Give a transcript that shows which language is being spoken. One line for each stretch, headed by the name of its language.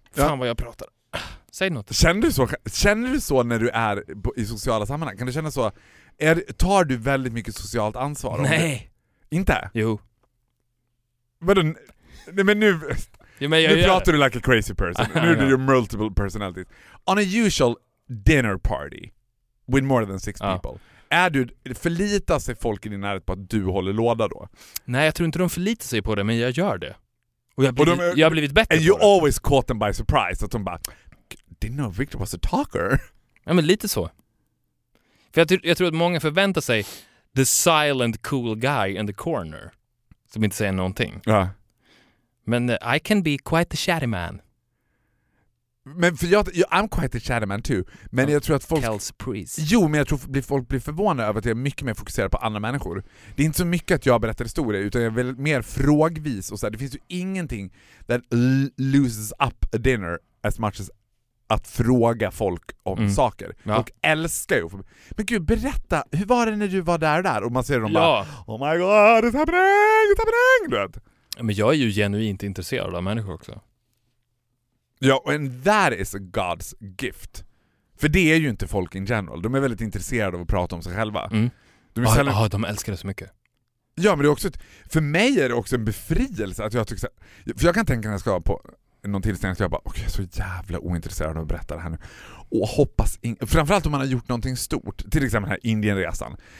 Swedish: Fan, ja. Vad jag pratar. Säg något. Känner du så när du är i sociala sammanhang? Kan du känna så? Tar du väldigt mycket socialt ansvar? Nej. Inte? Jo. Vadå? Nej, men nu, ja, men jag nu pratar det. Du
English: like a crazy person.
Swedish: Nu är du
English: your multiple personalities. On a usual dinner party with more than six people.
Swedish: Är du, förlitar sig folk i din närhet på att du håller låda då? Nej, jag tror inte de förlitar sig på det, men jag gör det. Och jag har blivit bättre på det.
English: And you always caught them by surprise.
Swedish: Att de bara,
English: didn't know Victor was a talker.
Swedish: Ja, men lite så. För jag tror att många förväntar sig
English: the silent cool guy in the corner.
Swedish: Som inte säger någonting. Ja.
English: Men I can be quite the chatty man.
Swedish: Men för jag
English: I'm quite the chatty man too.
Swedish: Men jag tror att folk... Kells priest. Jo, men jag tror att folk blir förvånade över att jag är mycket mer fokuserad på andra människor. Det är inte så mycket att jag berättar historier, utan jag är väl mer frågvis. Och så här. Det finns ju ingenting
English: that loses up a dinner as much as
Swedish: att fråga folk om saker. Ja. Och älskar ju. Men gud, berätta. Hur var det när du var där? Och man ser dem bara...
English: Oh my god, it's happening!
Swedish: Du vet. Men jag är ju genuint intresserad av människor också.
English: Ja, and that is a God's gift.
Swedish: För det är ju inte folk
English: in general.
Swedish: De är väldigt intresserade av att prata om sig själva. Mm. De älskar det så mycket. Ja, men det är också för mig är det också en befrielse att jag tycker så här, för jag kan tänka när jag ska på någon tillställning att jag bara, okej, jag är så jävla ointresserad av att berätta det här nu. Och hoppas framförallt om man har gjort någonting stort, till exempel den här Indienresan.